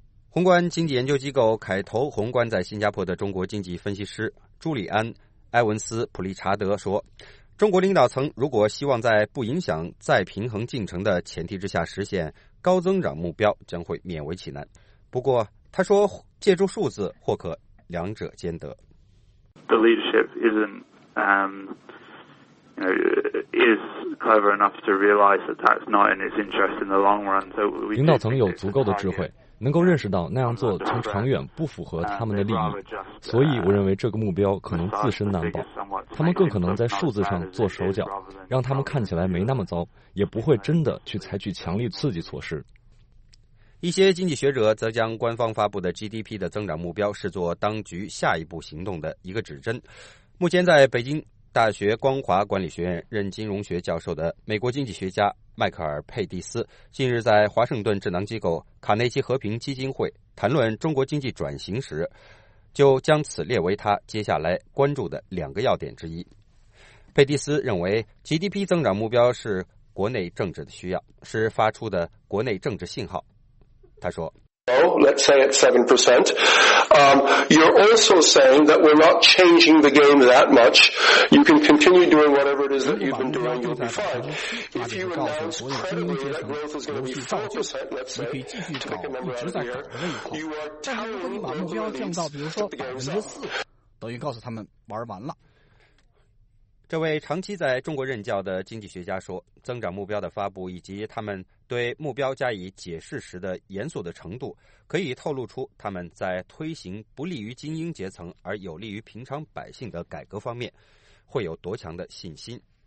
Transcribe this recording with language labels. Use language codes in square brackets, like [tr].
[zh] 宏观经济研究机构凯投宏观在新加坡的中国经济分析师朱里安·埃文斯·普利查德说，中国领导层如果希望在不影响再平衡进程的前提之下实现高增长目标，将会勉为其难。不过他说，借助数字或可两者兼得。 [en] The leadership is clever enough to realize that that's not in its interest in the long run. So we [zh] 领导层有足够的智慧，能够认识到那样做从长远不符合他们的利益，所以我认为这个目标可能自身难保。他们更可能在数字上做手脚，让他们看起来没那么糟，也不会真的去采取强力刺激措施。一些经济学者则将官方发布的 GDP 的增长目标视作当局下一步行动的一个指针。目前在北京大学光华管理学院任金融学教授的美国经济学家迈克尔·佩蒂斯近日在华盛顿智囊机构卡内基和平基金会谈论中国经济转型时，就将此列为他接下来关注的两个要点之一。佩蒂斯认为 GDP 增长目标是国内政治的需要，是发出的国内政治信号。他说， [en] Let's say it's 7%. You're also saying that we're not changing the game that much. You can continue doing whatever it is that you've been doing, you'll be fine. If you announce credibly that growth is going to be 4%, let's say, to pick a number out of here, you are telling them to stop the game itself. [zh] 等于告诉他们玩完了。这位长期在中国任教的经济学家说，增长目标的发布以及他们对目标加以解释时的严肃的程度，可以透露出他们在推行不利于精英阶层而有利于平常百姓的改革方面会有多强的信心。